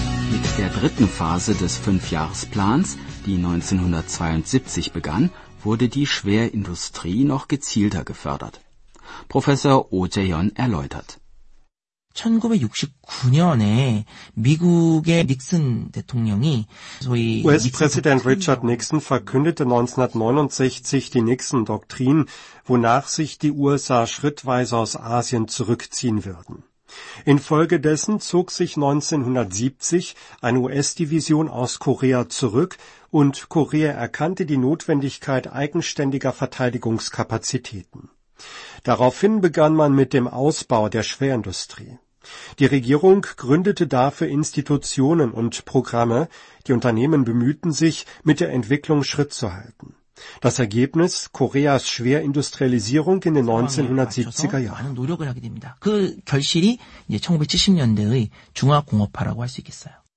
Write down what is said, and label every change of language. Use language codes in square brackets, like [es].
[de] Mit der dritten Phase des Fünfjahresplans, die 1972 begann, wurde die Schwerindustrie noch gezielter gefördert. Professor Oh Jae-yeon erläutert. [ko] 1969년에 미국의 닉슨 대통령이 소위 [de] US-Präsident Richard Nixon verkündete 1969 die Nixon-Doktrin, wonach sich die USA schrittweise aus Asien zurückziehen würden. Infolgedessen zog sich 1970 eine US-Division aus Korea zurück und Korea erkannte die Notwendigkeit eigenständiger Verteidigungskapazitäten. Daraufhin begann man mit dem Ausbau der Schwerindustrie. Die Regierung gründete dafür Institutionen und Programme, die Unternehmen bemühten sich, mit der Entwicklung Schritt zu halten. Das Ergebnis Koreas Schwerindustrialisierung in den 1970er Jahren. [ko] 노력을 하게 됩니다. 그 결실이 이제 1970년대의 중화공업화라고 할 수 있겠어요.